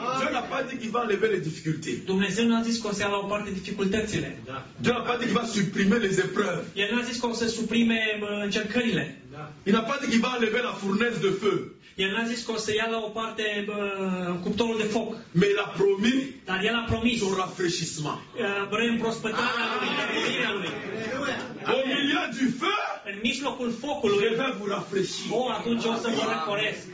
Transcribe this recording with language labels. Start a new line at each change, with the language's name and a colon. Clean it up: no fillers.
French: Dieu n'a pas dit qu'il va enlever les difficultés.
Romanian: Dumnezeu nu a zis că o să ia la o parte dificultățile.
French: Dieu n'a pas dit qu'il va supprimer les épreuves.
Romanian: El nu a zis că o să suprime încercările.
French: Il n'a pas dit qu'il va enlever la fournaise de feu.
Romanian: El n-a zis că o să ia la o parte cuptorul de foc.
French: Mais l'a promis.
Romanian: Dar el a promis.
French: Un rafraîchissement.
Romanian: Reîmprospătarea lui, răcorirea lui.
French: Au milieu du feu.
Romanian: În mijlocul focului.
French: Je vais vous rafraîchir.
Romanian: Oh, atunci o să vă răcoresc.